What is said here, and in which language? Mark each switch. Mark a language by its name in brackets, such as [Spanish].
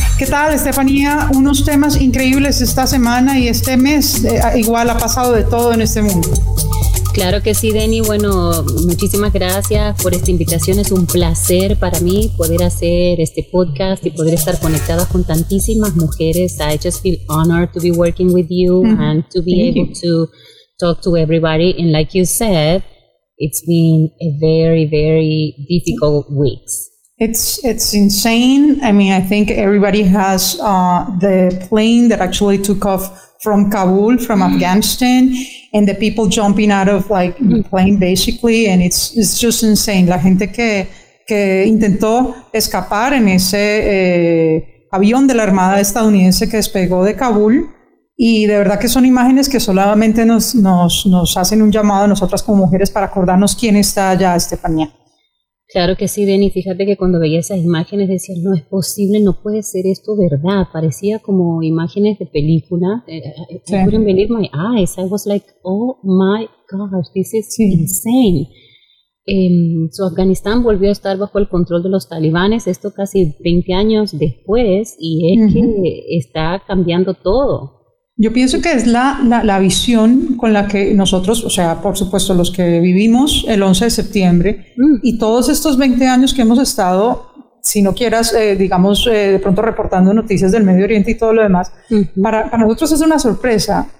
[Spanish] ¿Qué tal, Estefanía? Unos temas increíbles esta semana y este mes, igual ha pasado de todo en este mundo. Claro que sí, Deni. Bueno, muchísimas gracias por esta invitación. Es un placer para mí poder hacer este podcast y poder estar conectada con tantísimas mujeres. [English] I just feel honored to be working with you and to be able to talk to everybody. And like you said, it's been a very, very difficult weeks. It's insane. I mean, I think everybody has the plane that actually took off from Kabul, from Afghanistan, and the people jumping out of like the plane, basically, and it's just insane. [Spanish] La gente que intentó escapar en ese avión de la Armada estadounidense que despegó de Kabul, y de verdad que son imágenes que solamente nos hacen un llamado a nosotras como mujeres para acordarnos quién está allá, Estefanía. Claro que sí, Deni. Fíjate que cuando veía esas imágenes decía, no es posible, no puede ser esto verdad. Parecía como imágenes de película. Sí. [English] I couldn't believe my eyes. I was like, oh my gosh, this is insane. [Spanish] So Afganistán volvió a estar bajo el control de los talibanes, esto casi 20 años después, y es que está cambiando todo. Yo pienso que es la visión con la que nosotros, o sea, por supuesto, los que vivimos el 11 de septiembre y todos estos 20 años que hemos estado, si no quieras, digamos, de pronto reportando noticias del Medio Oriente y todo lo demás, para nosotros es una sorpresa.